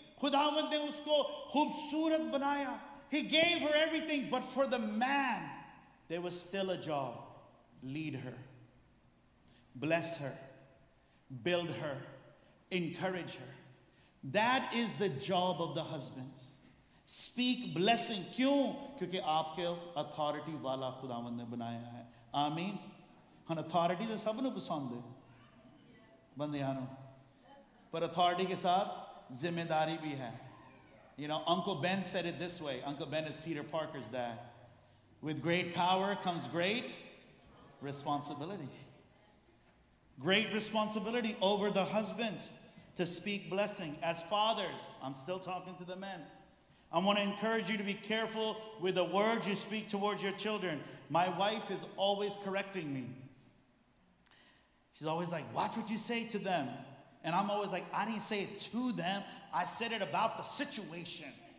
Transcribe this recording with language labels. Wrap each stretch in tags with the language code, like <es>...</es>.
<hi>खुदावंद ने उसको खूबसूरत बनाया.</hi> <en>He gave her everything. But for the man, there was still a job. Lead her. Bless her. Build her. Encourage her. That is the job of the husbands. Speak blessing.</en> <hi>क्यों? क्योंकि आपके authority वाला खुदावंद ने बनाया है. आमीन. हम अथॉरिटी तो सबनों पसंद है बंदियानो, पर अथॉरिटी के साथ जिम्मेदारी भी है.</hi> <en>You know, uncle Ben said it this way. Uncle Ben is Peter Parker's dad. With great power comes great responsibility. Great responsibility over the husbands to speak blessing. As fathers, I am still talking to the men, I want to encourage you to be careful with the words you speak towards your children. My wife is always correcting me. She's always like, watch what you say to them. And I'm always like, I didn't say it to them. I said it about the situation.</en>